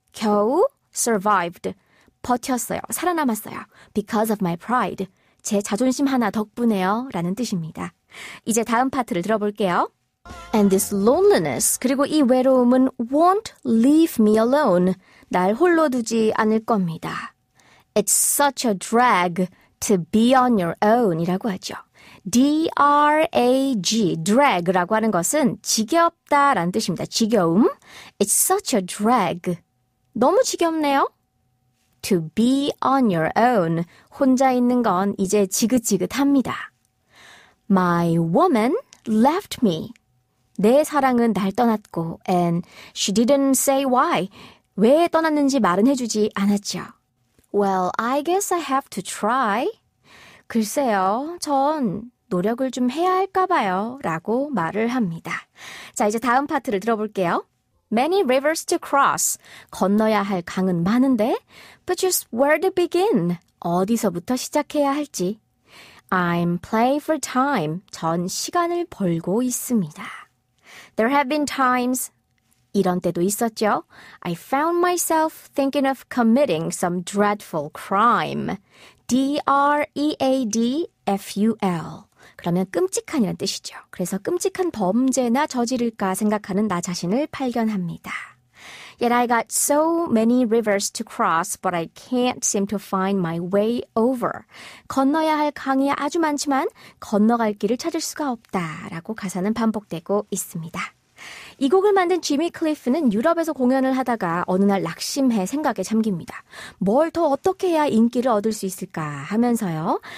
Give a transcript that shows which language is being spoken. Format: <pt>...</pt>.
<ko>겨우 survived. 버텼어요. 살아남았어요.</ko> <en>Because of my pride.</en> <ko>제 자존심 하나 덕분에요. 라는 뜻입니다. 이제 다음 파트를 들어볼게요.</ko> <en>And this loneliness,</en> <ko>그리고 이 외로움은</ko> <en>won't leave me alone.</en> <ko>날 홀로 두지 않을 겁니다.</ko> <en>It's such a drag to be on your own.</en> <ko>이라고 하죠. D-R-A-G, drag 라고 하는 것은 지겹다 라는 뜻입니다. 지겨움.</ko> <en>It's such a drag.</en> <ko>너무 지겹네요.</ko> <en>To be on your own.</en> <ko>혼자 있는 건 이제 지긋지긋합니다.</ko> <en>My woman left me.</en> <ko>내 사랑은 날 떠났고</ko> <en>and she didn't say why.</en> <ko>왜 떠났는지 말은 해주지 않았죠.</ko> <en>Well, I guess I have to try.</en> <ko>글쎄요, 전 노력을 좀 해야 할까 봐요. 라고 말을 합니다. 자, 이제 다음 파트를 들어볼게요.</ko> <en>Many rivers to cross.</en> <ko>건너야 할 강은 많은데,</ko> <en>but just where to begin?</en> <ko>어디서부터 시작해야 할지.</ko> <en>I'm playing for time.</en> <ko>전 시간을 벌고 있습니다.</ko> <en>There have been times.</en> <ko>이런 때도 있었죠.</ko> <en>I found myself thinking of committing some dreadful crime. D-R-E-A-D-F-U-L.</en> <ko>그러면 끔찍한이란 뜻이죠. 그래서 끔찍한 범죄나 저지를까 생각하는 나 자신을 발견합니다.</ko> <en>Yet I got so many rivers to cross, but I can't seem to find my way over.</en> <ko>건너야 할 강이 아주 많지만 건너갈 길을 찾을 수가 없다라고 가사는 반복되고 있습니다. 이 곡을 만든 지미 클리프는 유럽에서 공연을 하다가 어느 날 낙심해 생각에 잠깁니다. 뭘 더 어떻게 해야 인기를 얻을 수 있을까 하면서요.</ko>